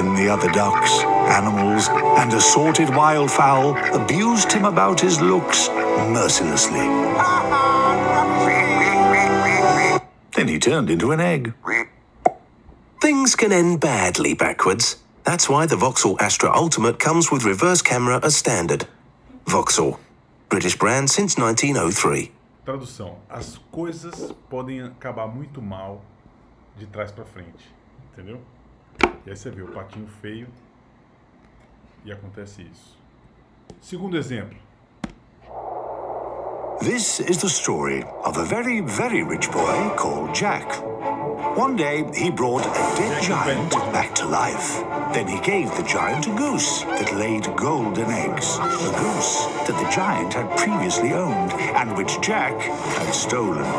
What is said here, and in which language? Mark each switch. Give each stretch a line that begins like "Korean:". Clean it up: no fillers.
English: Other ducks, animals, and assorted wildfowl abused him about his looks mercilessly. Then he turned into an egg. Things can end badly backwards. That's why the Vauxhall Astra Ultimate comes with reverse camera as standard. Vauxhall, British brand since 1903.
Portuguese: Tradução: as coisas podem acabar muito mal de trás para frente, entendeu? E aí você vê o patinho feio e acontece isso. Segundo exemplo.
English: This is the story of a very, very rich boy called Jack. One day, he brought a dead giant back to life. Then he gave the giant a goose that laid golden eggs. A goose that the giant had previously owned and which Jack had stolen.